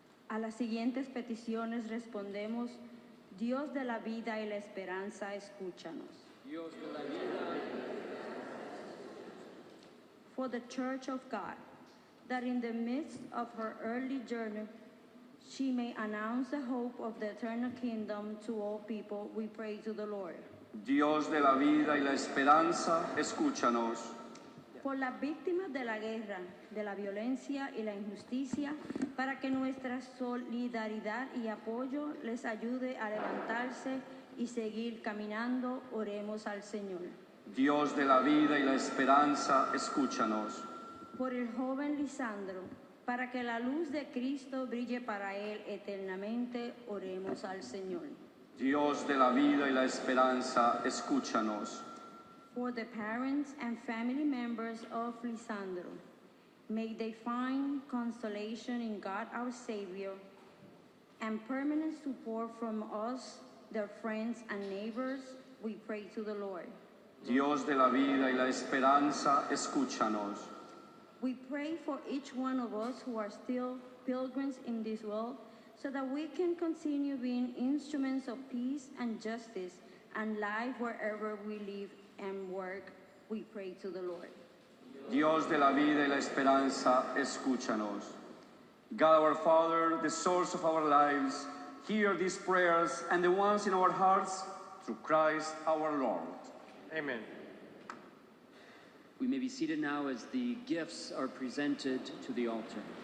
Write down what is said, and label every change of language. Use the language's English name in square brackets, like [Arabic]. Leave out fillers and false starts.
[Spanish] A las siguientes peticiones respondemos: Dios de la vida y la esperanza, escúchanos. Dios de la vida y la esperanza. [English] For the Church of God, that in the midst of her early journey, she may announce the hope of the eternal kingdom to all people, we pray to the Lord. [Spanish] Dios de la vida y la esperanza, escúchanos. Por las víctimas de la guerra, de la violencia y la injusticia, para que nuestra solidaridad y apoyo les ayude a levantarse y seguir caminando, oremos al Señor. Dios de la vida y la esperanza, escúchanos. Por el joven Lesandro, para que la luz de Cristo brille para él eternamente, oremos al Señor. Dios de la vida y la esperanza, escúchanos. [English] For the parents and family members of Lesandro, may they find consolation in God our Savior and permanent support from us, their friends and neighbors, we pray to the Lord. [Spanish] Dios de la vida y la esperanza, escúchanos. [English] We pray for each one of us who are still pilgrims in this world so that we can continue being instruments of peace and justice and life wherever we live and work, we pray to the Lord. [Spanish] Dios de la vida y la esperanza, escúchanos. [English] God our Father, the source of our lives, hear these prayers and the ones in our hearts through Christ our Lord. Amen. We may be seated now as the gifts are presented to the altar.